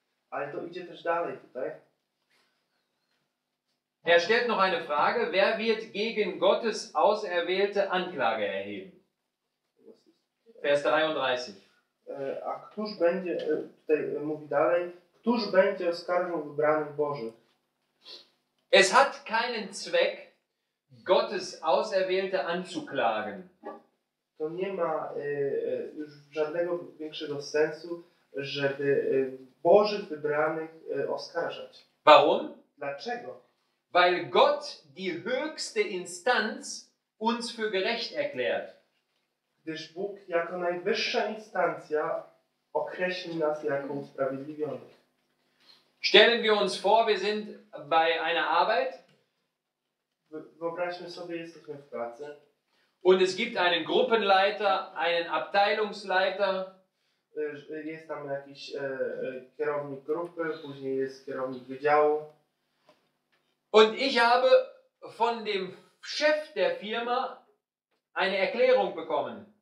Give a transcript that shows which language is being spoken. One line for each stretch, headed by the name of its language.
Polish: Ale to idzie też dalej tutaj.
German: Er stellt noch eine Frage, wer wird gegen Gottes Auserwählte Anklage erheben? Vers 33.
Polish: A któż będzie, tutaj mówi dalej, któż będzie oskarżał wybranych Bożych?
German: Es hat keinen Zweck, Gottes Auserwählte anzuklagen.
Polish: To nie ma już żadnego większego sensu, żeby Bożych wybranych oskarżać.
German: Warum?
Polish: Dlaczego?
German: Weil Gott die höchste Instanz uns für gerecht erklärt.
Polish: Gdyż Bóg jako najwyższa instancja określi nas jako usprawiedliwionych.
German: Stellen wir uns vor, wir sind bei einer Arbeit.
Polish: Wyobraźmy sobie, jesteśmy w pracy.
German: Und es gibt einen Gruppenleiter, einen Abteilungsleiter.
Polish: Jest tam jakiś kierownik grupy, później jest kierownik wydziału.
German: Und ich habe von dem Chef der Firma eine Erklärung bekommen.